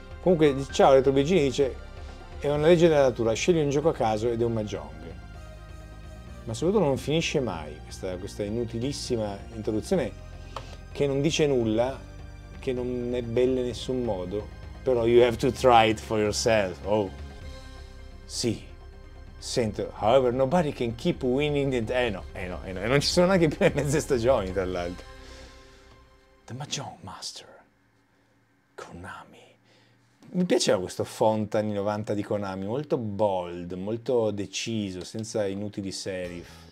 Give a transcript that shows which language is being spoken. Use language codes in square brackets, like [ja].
[it] Comunque, ciao, Retro Biggini dice... È una legge della natura, scegli un gioco a caso ed è un Mahjong. Ma soprattutto non finisce mai questa inutilissima introduzione che non dice nulla, che non è bella in nessun modo, però [en] you have to try it for yourself. Oh, [it] sì, sento, [en] however, nobody can keep winning it. [it] No, non ci sono neanche più le mezze stagioni, tra l'altro. The Mahjong Master, Konami. Mi piaceva questo font anni 90 di Konami, molto bold, molto deciso, senza inutili serif.